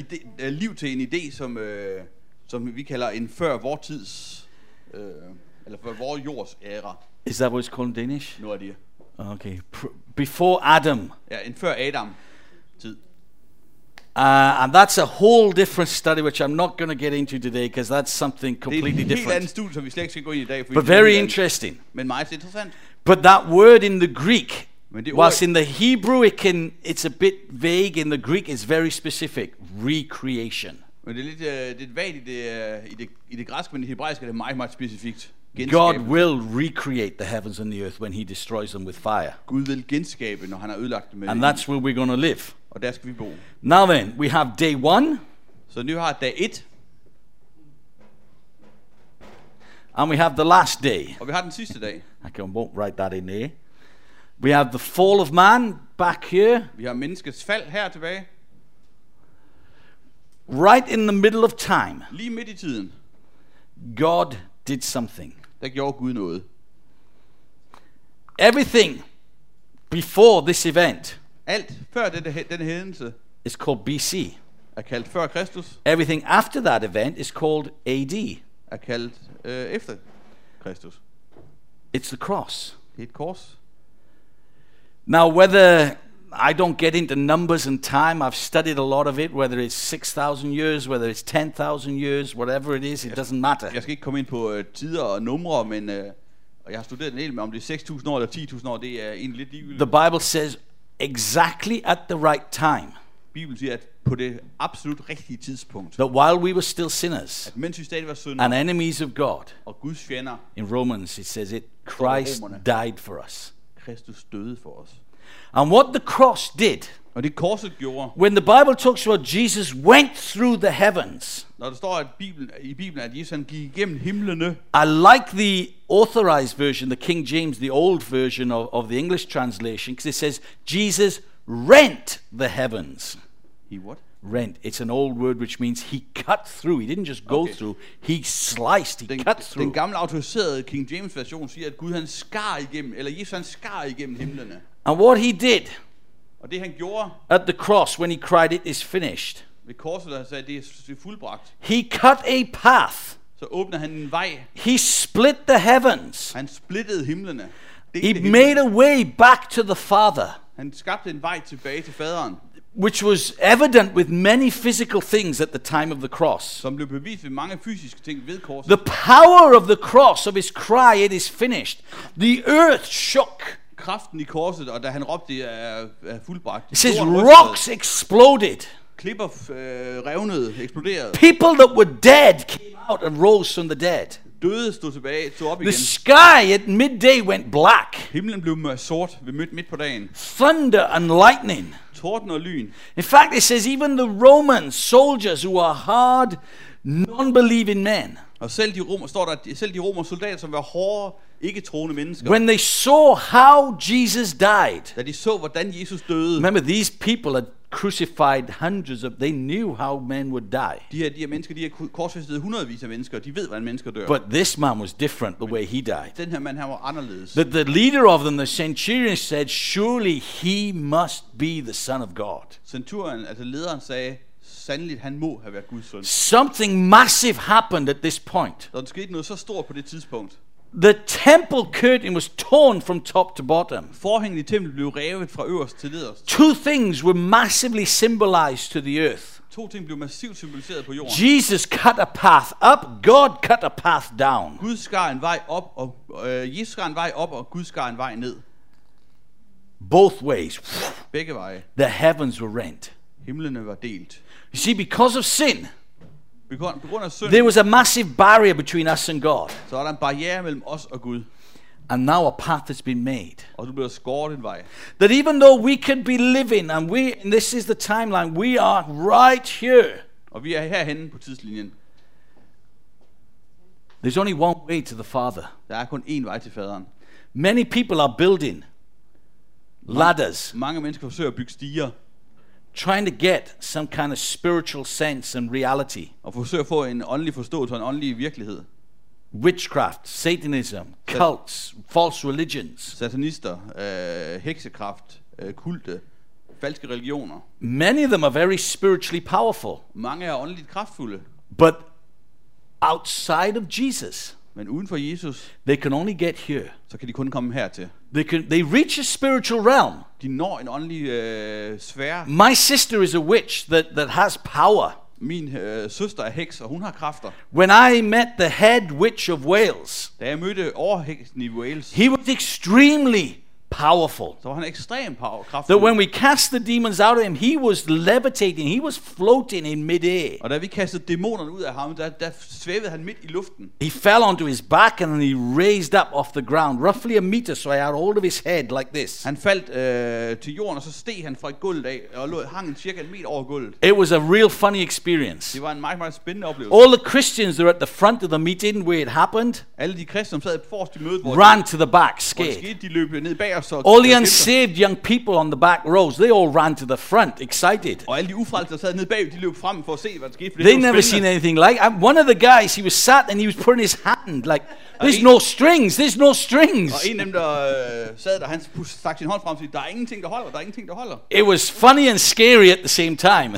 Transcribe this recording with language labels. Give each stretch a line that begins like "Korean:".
Danish: Det er liv til en idé, som vi kalder en før vor tids eller før vor jords æra.
English: Is that what it's called in Danish? No idea. Okay. Before Adam.
Danish: Ja, en før Adam tid.
English: And that's a whole different study which I'm not going to get into today because that's something completely different.
Danish: Studie, som vi slet ikke skal gå ind i dag,
English: but very interesting.
Danish: Men meget interessant.
English: But that word in the Greek, whilst in the Hebrew it's a bit vague, in the Greek it's very specific. Recreation.
Danish: Men det er lidt vagt i det græske, men i det hebraiske er det meget, meget specifikt.
English: God will recreate the heavens and the earth when he destroys them with fire.
Danish: Gud vil genskabe, når han har ødelagt dem med.
English: And that's where we're going to live.
Danish: Og der skal vi bo.
English: Now then, we have day one.
Danish: Så nu har dag et.
English: And we have the last day.
Danish: Og vi har den sidste dag.
English: Okay, I won't write that in there. We have the fall of man back here.
Danish: Vi har menneskets fald her tilbage.
English: Right in the middle of time.
Danish: Lige midt i tiden.
English: God did something.
Danish: Der gjorde Gud noget.
English: Everything before this event.
Danish: Alt før den hændelse.
English: Is called BC.
Danish: Er kaldt før Kristus.
English: Everything after that event is called AD.
Danish: Er kaldt efter Kristus.
English: It's the cross.
Danish: Det er et kors.
English: Now whether I don't get into numbers and time. I've studied a lot of it, whether it's 6,000 years, whether it's 10,000 years, whatever it is, it doesn't matter.
Danish: Jeg skal ikke komme ind på tider og numre, men jeg har studeret en del, men om det er 6,000 år eller 10,000 år, det er egentlig lidt ligegyldigt.
English: The Bible says exactly at the right time.
Danish: Bibelen siger, at på det absolut rigtige tidspunkt.
English: That while we were still sinners,
Danish: at mens vi stadig var syndere,
English: and enemies of God,
Danish: og Guds fjender,
English: in Romans it says it, Christ died for us.
Danish: Kristus døde for os.
English: And what the cross did,
Danish: og det korset gjorde,
English: when the Bible talks about Jesus went through the heavens,
Danish: når der står at Bibelen, i Bibelen, at Jesus gik igennem himlene,
English: I like the authorized version, the King James, the old version of the English translation, because it says Jesus rent the heavens. He what? Rent. It's an old word which means he cut through. He didn't just go okay. through. He sliced. He
Danish: den,
English: cut through.
Danish: Den gamle autoriserede King James version siger, at Gud han skar igennem, eller Jesus han skar igennem himlene.
English: And what he did,
Danish: og det han gjorde,
English: at the cross when he cried it is finished,
Danish: ved korset, han sagde, det er fuldbragt.
English: He cut a path.
Danish: Så åbner han en vej.
English: He split the heavens.
Danish: Han splittede himlene.
English: He made a way back to the Father.
Danish: Han skabte en vej tilbage til faderen.
English: Which was evident with many physical things at the time of the cross.
Danish: Som blev bevist ved mange fysiske ting ved korset.
English: The power of the cross, of his cry, it is finished. The earth shook.
Danish: Kraften i korset, og da han råbte, er fuldbragt.
English: It says rocks exploded.
Danish: Klipper revnede, eksploderede.
English: People that were dead came out and rose from the dead.
Danish: Døde stod tilbage, stod op igen.
English: The sky at midday went black.
Danish: Himlen blev sort ved midt på dagen.
English: Thunder and lightning.
Danish: Torden og lyn.
English: In fact, it says even the Roman soldiers who are hard, non-believing men.
Danish: Og selv de romer, står der, selv de romer soldater, som var hårde, ikke troende mennesker.
English: When they saw how Jesus died.
Danish: Da de så, hvordan Jesus døde.
English: Remember, these people had crucified hundreds of, they knew how men would die.
Danish: De her mennesker, de har korsfæstet hundredvis af mennesker, de ved, hvordan mennesker dør.
English: But this man was different the way he died.
Danish: Den her mand, han var anderledes.
English: The leader of them, the centurion, said, surely he must be the son of God.
Danish: Centurion, altså lederen, sagde, sandeligt, han må have været Guds søn.
English: Something massive happened at this point.
Danish: Der skete noget så stort på det tidspunkt.
English: The temple curtain was torn from top to bottom.
Danish: Forhænget i templet blev revet fra øverst til nederst.
English: Two things were massively symbolized to the earth.
Danish: To ting blev massivt symboliseret på jorden.
English: Jesus cut a path up, God cut a path down.
Danish: Gud skar en vej op og Jesus skar en vej op og Gud skar en vej ned.
English: Both ways.
Danish: Begge veje.
English: The heavens were rent.
Danish: Himlene var delt.
English: You see, because of sin.
Danish: På grund af synd,
English: there was a massive barrier between us and God.
Danish: Så var der en barriere mellem os og Gud.
English: And now a path has been made.
Danish: Og du bliver skåret en vej.
English: That even though we could be living and we, and this is the timeline, we are right here.
Danish: Og vi er herhenne på tidslinjen.
English: There's only one way to the Father.
Danish: Der er kun én vej til faderen.
English: Many people are building ladders.
Danish: Mange mennesker forsøger at bygge stiger.
English: Trying to get some kind of spiritual sense and reality.
Danish: Og forsøger at få en åndelig forståelse og en åndelig virkelighed.
English: Witchcraft, Satanism, cults, false religions.
Danish: Satanister, heksekraft, kulte, falske religioner.
English: Many of them are very spiritually powerful.
Danish: Mange er åndeligt kraftfulde.
English: But outside of Jesus.
Danish: Men uden for Jesus.
English: They can only get here.
Danish: Så kan de kun komme hertil.
English: They reach a spiritual realm.
Danish: De når en åndelig sfære.
English: My sister is a witch that has power.
Danish: Min søster er heks, og hun har kræfter.
English: When I met the head witch of Wales.
Danish: Da jeg mødte overheksen i Wales.
English: He was extremely powerful.
Danish: Så var han ekstrem kraftfuld.
English: That when we cast the demons out of him, he was levitating, he was floating in midair.
Danish: Og da vi kastede dæmonerne ud af ham, der svævede han midt i luften.
English: He fell onto his back and then he raised up off the ground, roughly a meter, so I had all of his head like this.
Danish: Han faldt til jorden, og så steg han fra et gulv af, og hang cirka en meter over gulvet.
English: It was a real funny experience.
Danish: Det var en meget, meget spændende oplevelse.
English: All the Christians that were at the front of the meeting where it happened,
Danish: alle de kristne, som sad forrest i mødet,
English: ran to the back, scared.
Danish: Hvor det skete, de løb ned bag.
English: All the unsaved young people on the back rows, they all ran to the front, excited.
Danish: Og alle de ufrelste, der sad nede bag, de løb frem for at se, hvad der skete.
English: They never seen anything like it. One of the guys, he was sat and he was putting his hand like, there's no strings.
Danish: Og en af dem, der sad der, han stak sin hånd frem og sagde, der er ingenting, der holder.
English: It was funny and scary at the same time.